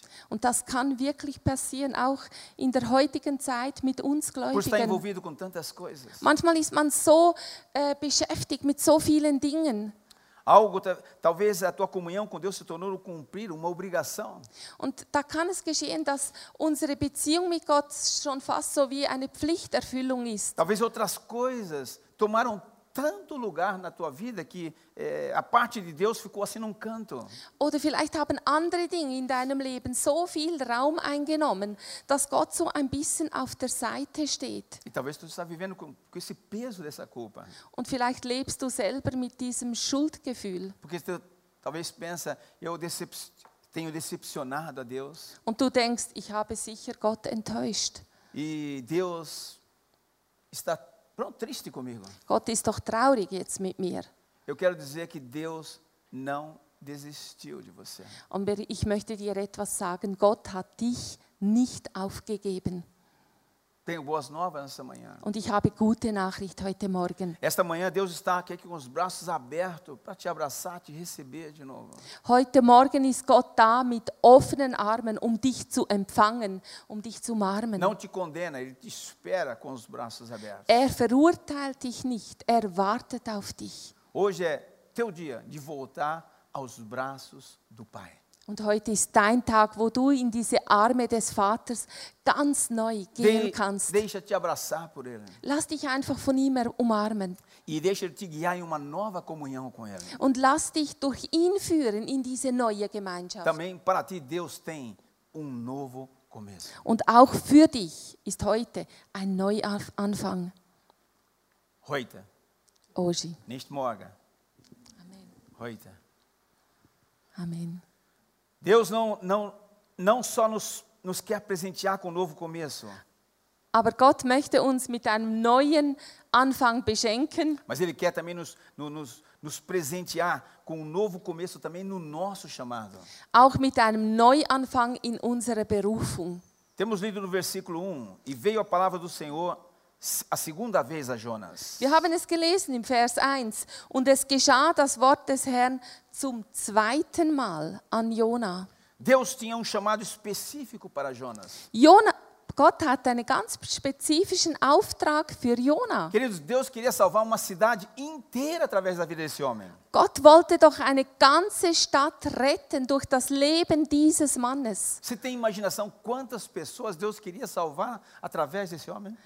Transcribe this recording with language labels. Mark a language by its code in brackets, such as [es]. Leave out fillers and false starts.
[de] Und das kann wirklich passieren, auch in der heutigen Zeit mit uns Gläubigen. Manchmal ist man so beschäftigt mit so vielen Dingen. [pt] Algo, talvez a tua comunhão com Deus se tornou cumprir uma obrigação. [de] Und da kann es geschehen, dass unsere Beziehung mit Gott schon fast so wie eine Pflichterfüllung ist. [pt] Talvez outras coisas tomaram tanto lugar na tua vida que a parte de Deus ficou assim num canto. [de] Oder vielleicht haben andere Dinge in deinem Leben so viel Raum eingenommen, dass Gott so ein bisschen auf der Seite steht. [pt] E talvez tu está vivendo com esse peso dessa culpa. [de] Und vielleicht lebst du selber mit diesem Schuldgefühl. [pt] Porque tu talvez pensa, eu tenho decepcionado a Deus. [de] Und du denkst, ich habe sicher Gott enttäuscht. [pt] E Deus está triste comigo. [de] Gott ist doch traurig jetzt mit mir. [pt] Eu quero dizer que Deus não desistiu de você. [de] Aber ich möchte dir etwas sagen. Gott hat dich nicht aufgegeben. [pt] Tenho boas novas nessa manhã. [de] Und ich habe gute Nachricht heute Morgen. [pt] Esta manhã Deus está aqui com os braços abertos para te abraçar, te receber de novo. [de] Heute Morgen ist Gott da mit offenen Armen, um dich zu empfangen, um dich zu umarmen. [pt] Não te condena, ele te espera com os braços abertos. [de] Er verurteilt dich nicht, er wartet auf dich. [pt] Hoje é teu dia de voltar aos braços do Pai. [de] Und heute ist dein Tag, wo du in diese Arme des Vaters ganz neu gehen kannst. [pt] Deixa-te abraçar por ele. [de] Lass dich einfach von ihm umarmen. [pt] E deixa-te guiar em uma nova comunhão com ele. [de] Und lass dich durch ihn führen in diese neue Gemeinschaft. [pt] Também para ti Deus tem novo começo. [de] Und auch für dich ist heute ein Neuanfang. Heute. [pt] Hoje. [de] Nicht morgen. Amen. Heute. Amen. [pt] Deus não só nos quer presentear com um novo começo. [de] Aber Gott möchte uns mit einem neuen Anfang beschenken. [pt] Mas ele quer também nos presentear com um novo começo também no nosso chamado. [de] Auch mit einem Neuanfang in unserer Berufung. [pt] Temos lido no versículo 1, e veio a palavra do Senhor a segunda vez a Jonas. [de] Wir haben es gelesen im Vers 1 und es geschah das Wort des Herrn zum zweiten Mal an Jona. [pt] Deus tinha um chamado específico para Jonas. [de] Gott hat einen ganz spezifischen Auftrag für Jona. [pt] Queridos, Deus queria salvar uma cidade inteira através da vida desse homem. [de] Gott wollte doch eine ganze Stadt retten durch das Leben dieses Mannes. [pt] Você tem imaginação quantas pessoas Deus queria salvar através desse homem?